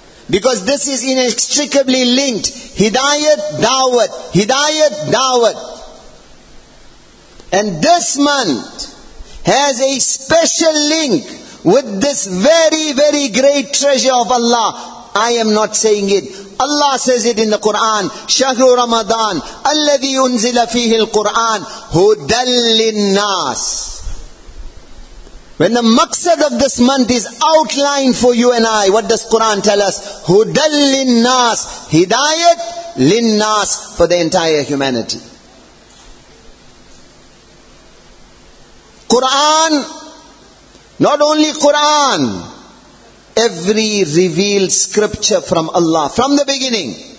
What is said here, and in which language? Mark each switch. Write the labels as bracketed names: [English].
[English] Because this is inextricably linked. Hidayat, dawat. Hidayat, dawat. And this month has a special link with this very, very great treasure of Allah. I am not saying it. Allah says it in the Quran, [Arabic] شهر رمضان الذي أنزل فيه القرآن هدى للناس. [English] When the maqsad of this month is outlined for you and I, what does Quran tell us? [Arabic] هدى للناس, [English] hidayat للناس, for the entire humanity. Quran, not only Quran, every revealed scripture from Allah, from the beginning.